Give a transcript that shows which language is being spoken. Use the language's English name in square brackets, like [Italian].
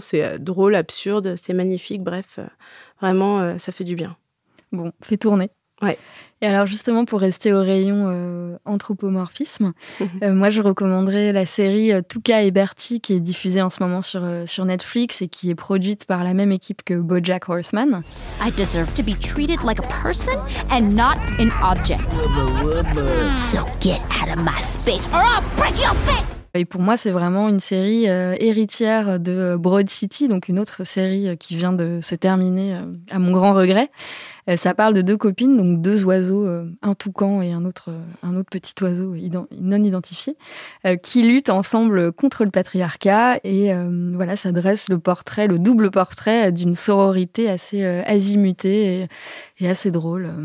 [French] C'est drôle, absurde, c'est magnifique. Bref, vraiment, ça fait du bien. Bon, fait tourner. Ouais. Et alors justement, pour rester au rayon anthropomorphisme, moi je recommanderais la série Touka et Bertie qui est diffusée en ce moment sur Netflix et qui est produite par la même équipe que BoJack Horseman. [English] I deserve to be treated like a person and not an object. So get out of my space or I'll break your face. [French] Et pour moi, c'est vraiment une série héritière de Broad City, donc une autre série qui vient de se terminer à mon grand regret. Ça parle de deux copines, donc deux oiseaux, un toucan et un autre petit oiseau non identifié, qui luttent ensemble contre le patriarcat et voilà, ça dresse le double portrait d'une sororité assez azimutée et assez drôle.